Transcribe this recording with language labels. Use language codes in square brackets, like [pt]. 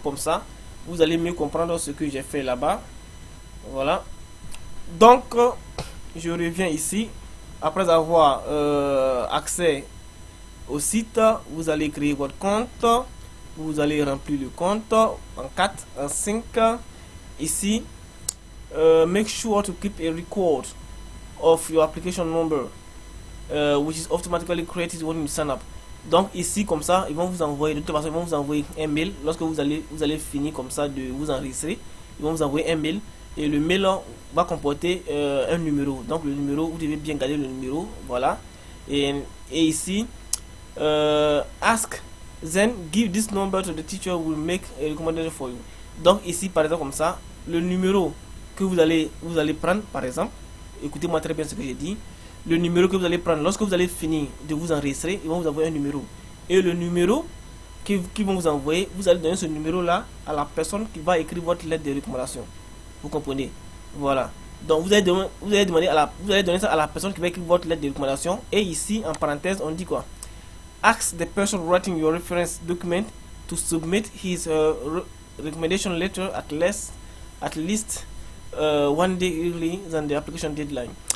[fr] Comme ça, vous allez mieux comprendre ce que j'ai fait là-bas. Voilà. Donc, je reviens ici. Après avoir accès au site, vous allez créer votre compte. Vous allez remplir le compte en 4, en 5. [en] Ici, make sure to keep a record of your application number, which is automatically created when you sign up. [fr] Donc ici comme ça, ils vont vous envoyer, de toute façon, ils vont vous envoyer un mail lorsque vous allez finir comme ça de vous enregistrer. Ils vont vous envoyer un mail et le mail va comporter un numéro. Donc le numéro, vous devez bien garder le numéro, voilà. Et ici, [en] ask then give this number to the teacher who will make a recommendation for you. [fr] Donc ici par exemple comme ça, le numéro que vous allez prendre par exemple, écoutez-moi très bien ce que j'ai dit. Le numéro que vous allez prendre lorsque vous allez finir de vous enregistrer, ils vont vous envoyer un numéro. Et le numéro qu'ils vont vous envoyer, vous allez donner ce numéro-là à la personne qui va écrire votre lettre de recommandation. Vous comprenez? Voilà. Donc vous allez demander à la, vous allez donner ça à la personne qui va écrire votre lettre de recommandation. Et ici, en parenthèse, on dit quoi? [en] Ask the person writing your reference document to submit his recommendation letter at least one day early than the application deadline.